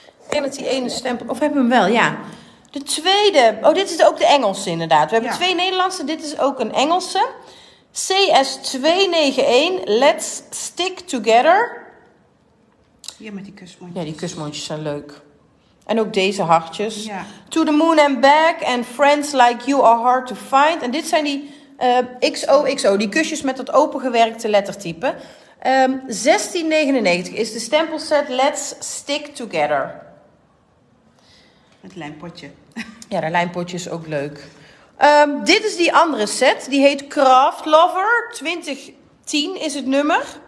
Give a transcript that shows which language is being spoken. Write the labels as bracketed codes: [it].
[nl] En dat die ene stempel, of hebben we hem wel, ja. De tweede, oh dit is ook de Engelse inderdaad. We hebben twee Nederlandse, dit is ook een Engelse. [en] CS291, Let's Stick Together. [nl] Ja, met die kusmondjes. Ja, die kusmondjes zijn leuk. En ook deze hartjes. Ja. [en] To the moon and back and friends like you are hard to find. [nl] En dit zijn die XOXO, die kusjes met dat opengewerkte lettertype. €16,99 is de stempelset Let's Stick Together. Het lijmpotje. Ja, dat lijmpotje is ook leuk. Dit is die andere set. Die heet Craft Lover. 2010 is het nummer.